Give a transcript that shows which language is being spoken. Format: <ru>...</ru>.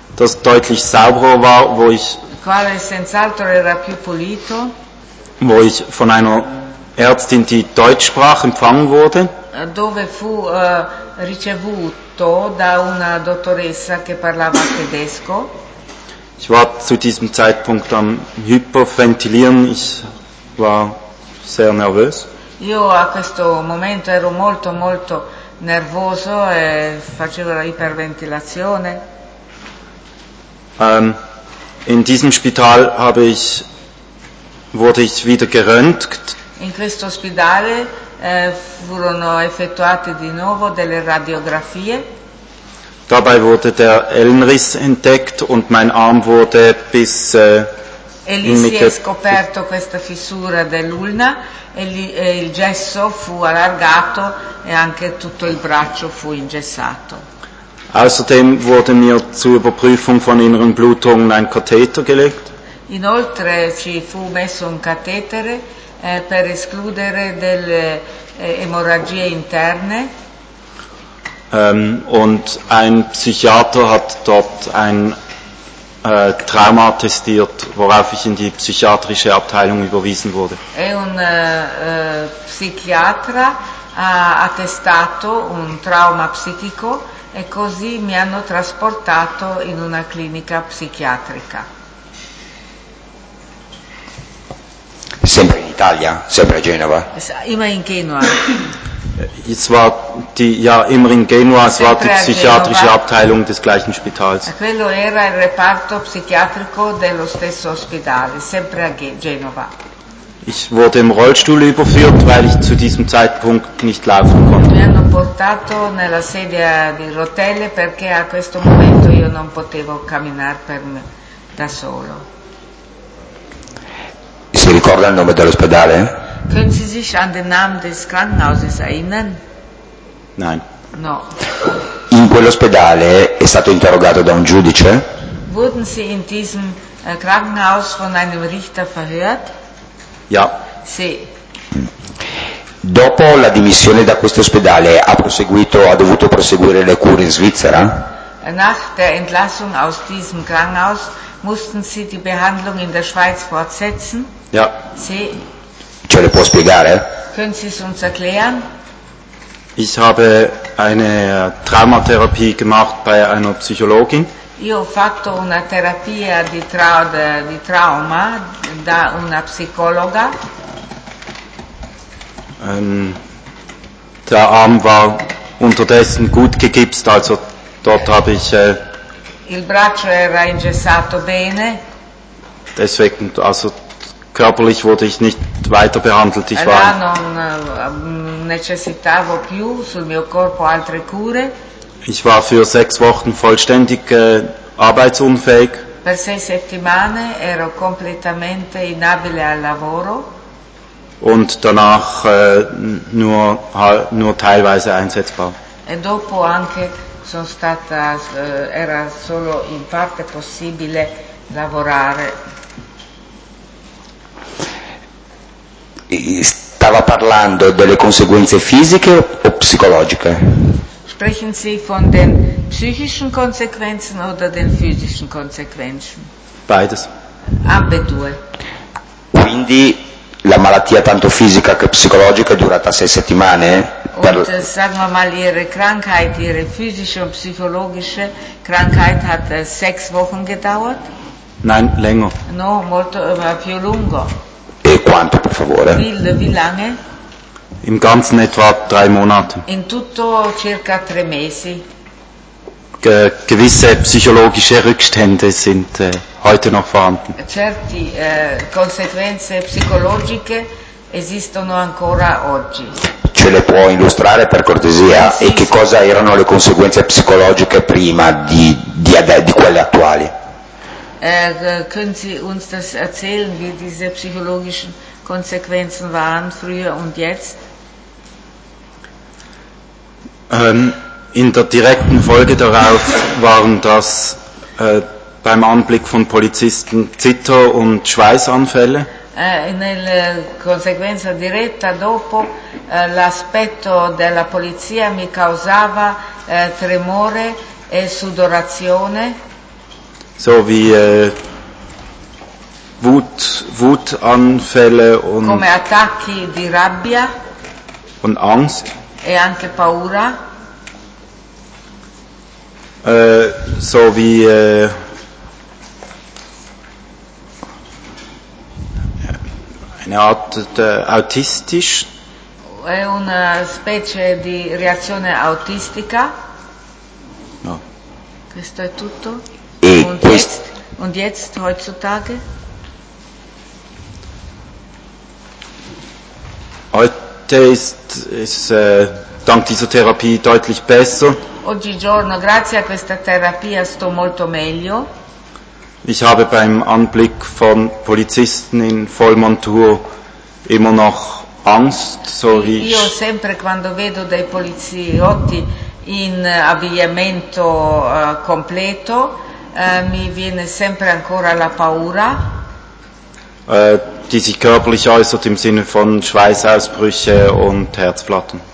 <de>Das deutlich sauberer war, wo ich.</de> <it>Quale senz'altro era più pulito.</it> <de>Wo ich von einer Ärztin, die Deutsch sprach, empfangen wurde.</de> <it>Dove fu ricevuto da una dottoressa che parlava tedesco.</it> <de>Ich war zu diesem Zeitpunkt am Hyperventilieren. Ich war sehr nervös.</de> <it>Io a questo momento ero molto molto nervoso e facevo la iperventilazione.</it> <de>In diesem Spital habe ich wurde ich wieder geröntgt.</de> <it>In questo ospedale furono effettuate di nuovo delle radiografie.</it> <de>Dabei wurde der Ellenriss entdeckt und mein Arm wurde bis</de> <it>e lì si è scoperto questa fissura dell'ulna e, lì, e il gesso fu allargato e anche tutto il braccio fu ingessato.</it> <de>Außerdem wurde mir zur Überprüfung von inneren Blutungen ein Katheter gelegt.</de> <it>Inoltre ci fu messo un catetere per escludere delle emorragie interne.</it> <de>Und ein Psychiater hat dort ein Trauma attestiert, worauf ich in die psychiatrische Abteilung überwiesen wurde.</de> <it>E un psichiatra ha attestato un trauma psichico e così mi hanno trasportato in una clinica psichiatrica. Sempre in Italia, sempre a Genova.</it> <de>Immer in Genua. Es war die, ja, immer in Genua, es war die psychiatrische Abteilung des gleichen Spitals.</de> <it>Quello era il reparto psichiatrico dello stesso ospedale, sempre a Genova.</it> <de>Ich wurde im Rollstuhl überführt, weil ich zu diesem Zeitpunkt nicht laufen konnte.</de> <it>Mi hanno portato nella sedia di rotelle perché a questo momento io non potevo camminare per me, da solo. Si ricorda il nome dell'ospedale?</it> <de>Können Sie sich an den Namen des Krankenhauses erinnern? Nein.</de> <it>No. In quell'ospedale è stato interrogato da un giudice?</it> <de>Wurden Sie in diesem Krankenhaus von einem Richter verhört? Ja.</de> <it>Sì. Dopo la dimissione da questo ospedale ha dovuto proseguire le cure in Svizzera?</it> <de>Nach der Entlassung aus diesem Krankenhaus mussten Sie die Behandlung in der Schweiz fortsetzen? Ja.</de> <it>Sì. Ce le può spiegare?</it> <de>Können Sie es uns erklären? Ich habe eine Traumatherapie gemacht bei einer Psychologin.</de> <it>Io ho fatto una terapia di trauma da una psicologa.</it> <de>Der Arm war unterdessen gut gegipst, also dort habe ich.</de> <it>Il braccio era ingessato bene.</it> <de>Deswegen, also körperlich wurde ich nicht weiter behandelt. Ich war</de> <it>non necessitavo più sul mio corpo altre cure.</it> <de>Ich war für 6 Wochen vollständig arbeitsunfähig.</de> <it>Per 6 settimane ero completamente inabile al lavoro.</it> <de>Und danach nur teilweise einsetzbar.</de> <it>E dopo anche sono stata era solo in parte possibile lavorare. Stava parlando delle conseguenze fisiche o psicologiche?</it> <de>Sprechen Sie von den psychischen Konsequenzen oder den physischen Konsequenzen? Beides.</de> <it>Ambedue. Quindi la malattia tanto fisica che psicologica è durata 6 settimane?</it> <de>Und sagen wir mal, Ihre Krankheit, Ihre physische und psychologische Krankheit hat 6 Wochen gedauert? Nein, länger.</de> <it>No, molto, ma più lungo. Quanto, per favore?</it> <de>Wie lange? Im Ganzen etwa 3 Monate.</de> <it>In tutto circa 3 mesi.</it> <de>Gewisse psychologische Rückstände sind heute noch vorhanden.</de> <it>Certi conseguenze psicologiche esistono ancora oggi. Ce le può illustrare per cortesia? Sì, e sì, che sì. Cosa erano le conseguenze psicologiche prima di quelle attuali?</it> <de>Können Sie uns das erzählen, wie diese psychologischen Konsequenzen waren, früher und jetzt? In der direkten Folge darauf waren das beim Anblick von Polizisten Zitter- und Schweißanfälle.</de> <it>Nella conseguenza diretta dopo l'aspetto della polizia mi causava tremore e sudorazione.</it> <de>So wie Wutanfälle und</de> <it>come attacchi di rabbia</it> <de>und Angst</de> <it>e anche paura.</it> <de>So wie eine Art autistisch.</de> <it>È una specie di reazione autistica. No. Questo è tutto. E</it> <de>und jetzt heutzutage? Heute ist dank dieser Therapie deutlich besser.</de> <it>Oggigiorno, grazie a questa terapia, sto molto meglio.</it> <de>Ich habe beim Anblick von Polizisten in Vollmontur immer noch Angst, so wie</de> <it>io sempre quando vedo dei poliziotti in abbigliamento completo, mi viene sempre ancora la paura.</it> <de>Die sich körperlich äußert im Sinne von Schweißausbrüche und Herzflattern.</de>